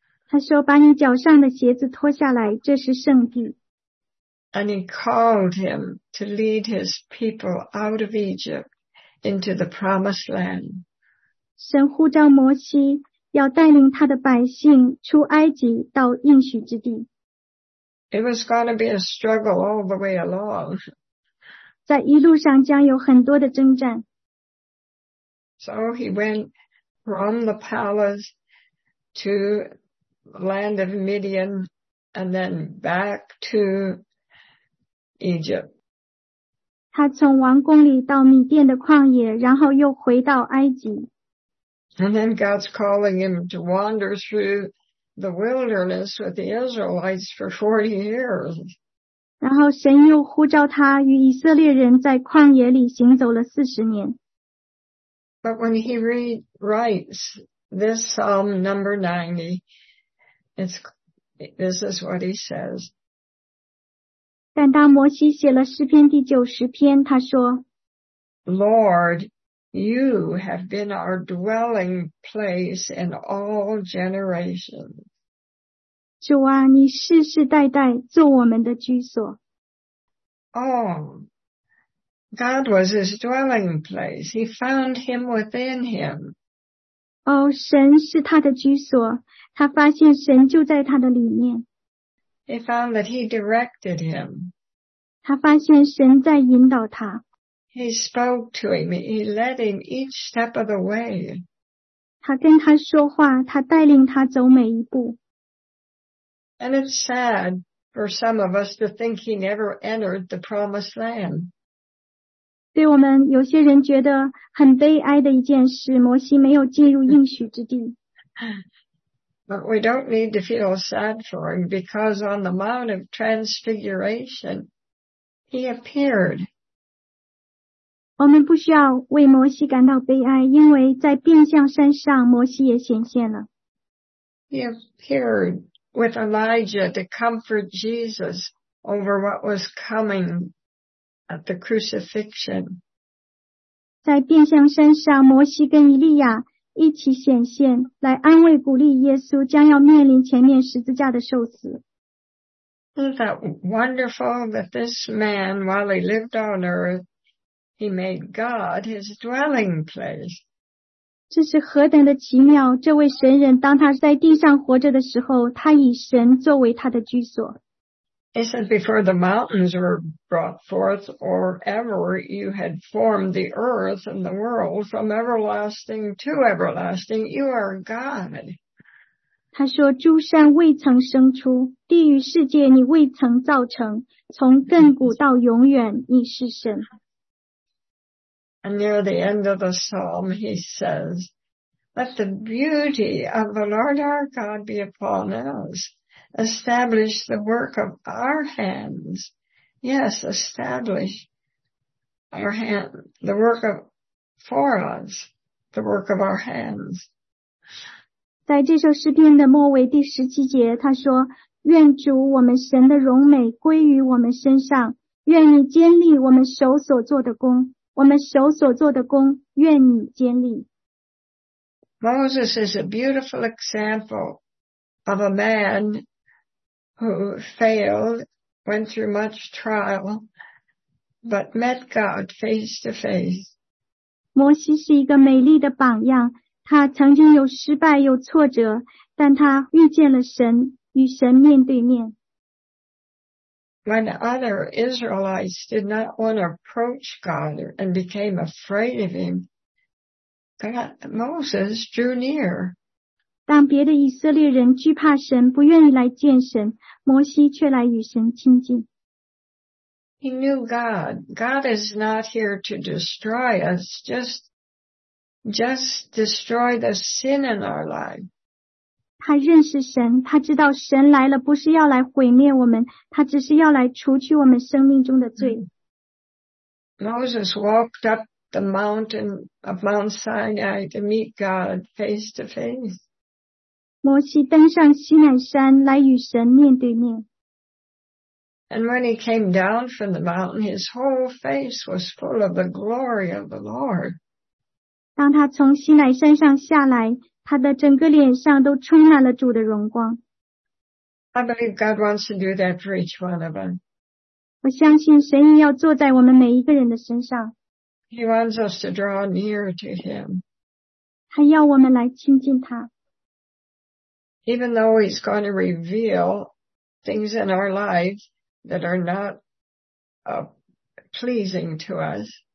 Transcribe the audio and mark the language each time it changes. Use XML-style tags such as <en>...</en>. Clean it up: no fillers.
<zh>他说，把你脚上的鞋子脱下来，这是圣地。</zh> <en>And he called him to lead his people out of Egypt into the promised land.</en> <zh>神呼召摩西，要带领他的百姓出埃及到应许之地。</zh> <en>It was going to be a struggle all the way along.</en> <zh>在一路上将有很多的征战。</zh> <en>So he went from the palace to the land of Midian and then back to Egypt.</en> <zh>他从王宫里到米甸的旷野，然后又回到埃及。</zh> <en>And then God's calling him to wander through the wilderness with the Israelites for 40 years.</en> <zh>然后神又呼召他与以色列人在旷野里行走了40年。</zh> <en>But when he rewrites this Psalm number 90, this is what he says.</en> <zh>但当摩西写了诗篇第90篇，他说，</zh> <en>Lord, you have been our dwelling place in all generations.</en> <zh>主啊，你世世代代做我们的居所。</zh> <en>Oh, God was his dwelling place. He found him within him.</en> <zh>哦，神是他的居所，他发现神就在他的里面。</zh> <en>He found that he directed him.</en> <zh>他发现神在引导他。</zh> <en>He spoke to him. He led him each step of the way.</en> <zh>他跟他说话，他带领他走每一步。</zh> <en>And it's sad for some of us to think he never entered the promised land.</en> <zh>对我们有些人觉得很悲哀的一件事，摩西没有进入应许之地。</zh> <en>But we don't need to feel sad for him because on the Mount of Transfiguration, he appeared.</en> <zh>我们不需要为摩西感到悲哀，因为在变相山上摩西也显现了。</zh> <en>He appeared with Elijah to comfort Jesus over what was coming at the crucifixion.</en> <zh>在变相山上，摩西跟以利亚一起显现，来安慰鼓励耶稣将要面临前面十字架的受死。</zh> <en>Isn't that wonderful that this man, while he lived on earth, he made God his dwelling place?</en> <zh>这是何等的奇妙，这位神人当他在地上活着的时候，他以神作为他的居所。</zh> <en>He said, before the mountains were brought forth or ever, you had formed the earth and the world from everlasting to everlasting, you are God.</en> <zh>他说，诸山未曾生出，地与世界你未曾造成，从亘古到永远你是神。</zh> <en>And near the end of the psalm, he says, let the beauty of the Lord our God be upon us. Establish the work of our hands. Yes, establish our hand, the work of, for us, the work of our hands.</en> <zh>在这首诗篇的末尾第十七节，他说，愿主我们神的荣美归于我们身上，愿你坚立我们手所做的功。我们手所做的工，愿你坚立。</zh> <en>Moses is a beautiful example of a man who failed, went through much trial, but met God face to face.</en> <zh>摩西是一个美丽的榜样，他曾经有失败，有挫折，但他遇见了神，与神面对面。</zh> <en>When other Israelites did not want to approach God and became afraid of him, Moses drew near.</en> <zh>当别的以色列人惧怕神，不愿意来见神，摩西却来与神亲近。</zh> <en>He knew God. God is not here to destroy us, just destroy the sin in our life.</en> <zh>他认识神，他知道神来了不是要来毁灭我们，他只是要来除去我们生命中的罪。</zh> <en>Moses walked up the mountain of Mount Sinai to meet God face to face.</en> <zh>摩西登上西乃山来与神面对面。</zh> <en>And when he came down from the mountain, his whole face was full of the glory of the Lord.</en> <zh>当他从西乃山上下来，他的整个脸上都充满了主的荣光。</zh> <en>I believe God wants to do that for each one of us.</en> <zh>我相信神也要坐在我们每一个人的身上。</zh> <en>He wants us to draw near to him.</en> <zh>他要我们来亲近他。</zh> <en>Even though he's going to reveal things in our lives, that are not pleasing to us.</en>